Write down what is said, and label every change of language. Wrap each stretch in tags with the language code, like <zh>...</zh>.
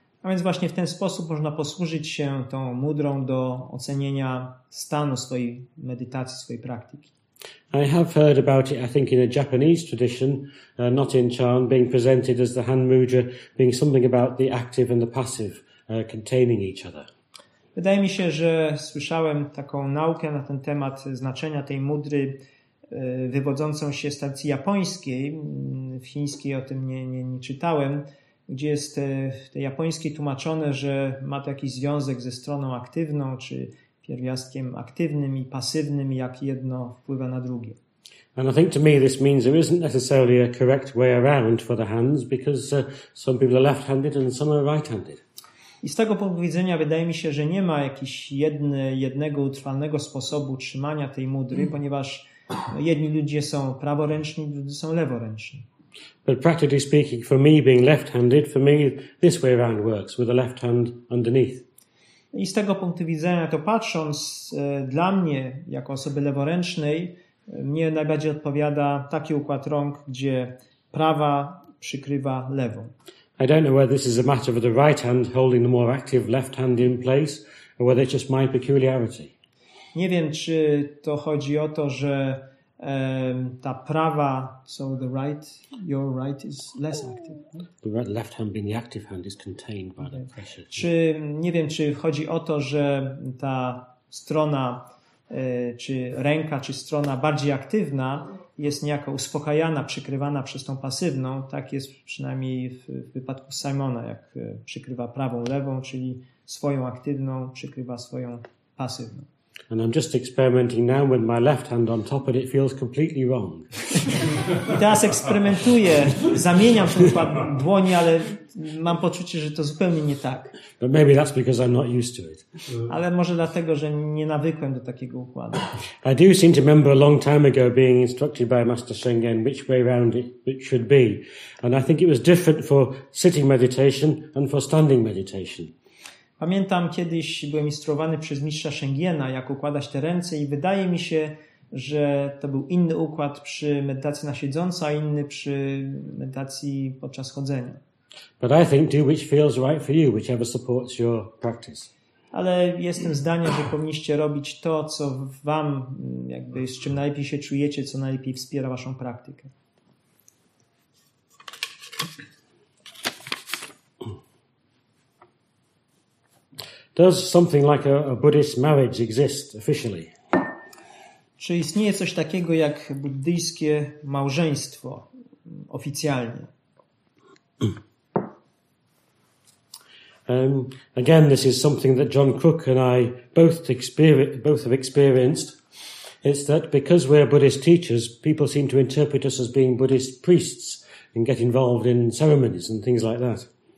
<pl>A więc właśnie w ten sposób można posłużyć się tą mudrą do ocenienia stanu swojej medytacji, swojej praktyki.</pl> <en>I have heard about it, I think, in a Japanese tradition, not in Chan, being presented as the hand mudra being something about the active and the passive containing each other.</en> <pl>Wydaje mi się, że słyszałem taką naukę na ten temat znaczenia tej mudry wywodzącą się z tradycji japońskiej. W chińskiej o tym nie czytałem, gdzie jest w tej japońskiej tłumaczone, że ma to jakiś związek ze stroną aktywną, czy pierwiastkiem aktywnym i pasywnym, jak jedno wpływa na drugie.</pl> <en>And I think to me this means there isn't necessarily a correct way around for the hands, because some people are left-handed and some are right-handed.</en> <pl>I z tego punktu widzenia wydaje mi się, że nie ma jakiegoś jednego utrwalnego sposobu trzymania tej mudry, ponieważ jedni ludzie są praworęczni, drudzy są leworęczni.</pl> <en>But practically speaking, for me being left-handed, for me this way around works, with the left hand underneath.</en> <pl>I z tego punktu widzenia to patrząc, dla mnie jako osoby leworęcznej, mnie najbardziej odpowiada taki układ rąk, gdzie prawa przykrywa lewą.</pl> <en>I don't know whether this is a matter of the right hand holding the more active left hand in place, or whether it's just my peculiarity.</en> <pl>Nie wiem, czy to chodzi o to, że ta prawa,</pl> <en>so the right, your right is less active. The right, left hand being the active hand is contained by the pressure.</en> <pl>Czy nie wiem, czy chodzi o to, że ta strona, czy ręka, czy strona bardziej aktywna jest niejako uspokajana, przykrywana przez tą pasywną. Tak jest przynajmniej w wypadku Simona, jak przykrywa prawą lewą, czyli swoją aktywną przykrywa swoją pasywną.</pl> <en>And I'm just experimenting now with my left hand on top, and it feels completely wrong.</en> <pl>I teraz eksperymentuję, zamieniam ten układ dłoni, ale Mam poczucie, że to zupełnie nie tak.</pl> <en>But maybe that's because I'm not used to it.</en> <pl>Ale może dlatego, że nie nawykłem do takiego układu.</pl> <en>I do seem to remember a long time ago being instructed by Master Shengen which way round it should be. And I think it was different for sitting meditation and for standing meditation.</en> <pl>Pamiętam, kiedyś byłem instruowany przez mistrza Shengena, jak układać te ręce i wydaje mi się, że to był inny układ przy medytacji na siedząco, a inny przy medytacji podczas chodzenia.</pl> <en>But I think do which feels right for you, whichever supports your practice.</en> <pl>Ale jestem zdania, że powinniście robić to, co wam, jakby z czym najlepiej się czujecie, co najlepiej wspiera waszą praktykę.</pl> <en>Does something like a Buddhist marriage exist officially?</en> <pl>Czy istnieje coś takiego jak buddyjskie małżeństwo oficjalnie?</pl> <en>Again, this is something that John Crook and I both have experienced. It's that because we're Buddhist teachers, people seem to interpret us as being Buddhist priests and get involved in ceremonies and things like that.</en>